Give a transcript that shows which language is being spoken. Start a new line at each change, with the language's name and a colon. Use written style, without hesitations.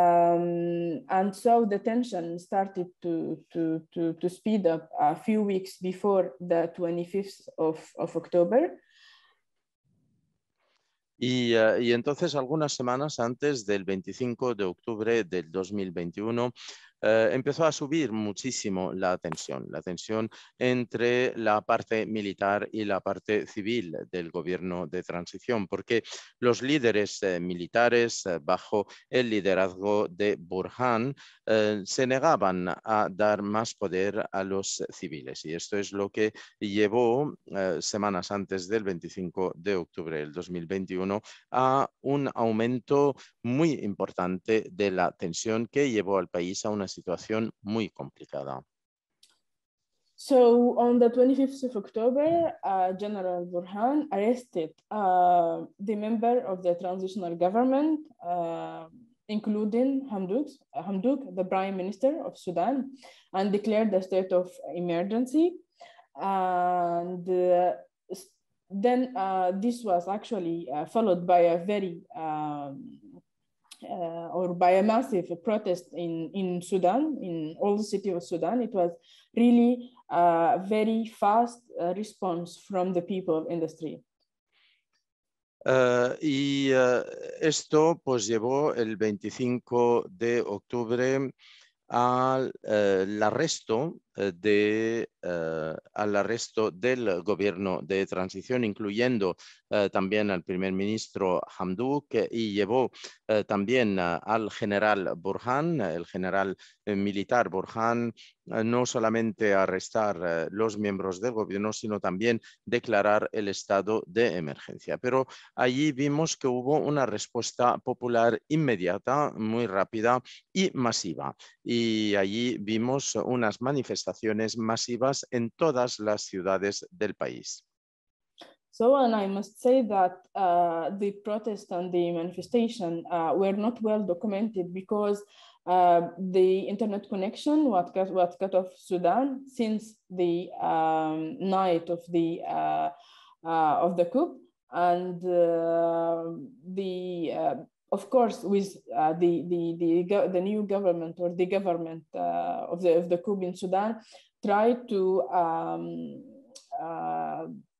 English: And so the tension started to speed up a few weeks before the 25th of October.
Spanish: Y entonces, algunas semanas antes del 25 de octubre del 2021, empezó a subir muchísimo la tensión entre la parte militar y la parte civil del gobierno de transición, porque los líderes militares, bajo el liderazgo de Burhan, se negaban a dar más poder a los civiles. Y esto es lo que llevó, semanas antes del 25 de octubre del 2021, a un aumento muy importante de la tensión que llevó al país a una situación muy complicada.
English: So on the 25th of October, General Burhan arrested the member of the transitional government, including Hamdok, the prime minister of Sudan, and declared a state of emergency. And then this was actually followed by a very by a massive protest in Sudan, in all the city of Sudan. It was really a very fast response from the people in the street.
Spanish: Esto pues llevó el 25 de octubre al arresto del gobierno de transición, incluyendo también al primer ministro Hamdok, y llevó también al general Burhan, el general militar Burhan, no solamente a arrestar los miembros del gobierno, sino también declarar el estado de emergencia. Pero allí vimos que hubo una respuesta popular inmediata, muy rápida y masiva. Y allí vimos unas manifestaciones masivas en todas las ciudades del país.
English: So, and I must say that the protest and the manifestation were not well documented because the internet connection was cut off Sudan since the night of the coup, and of course, with the new government or the government of the coup in Sudan, tried to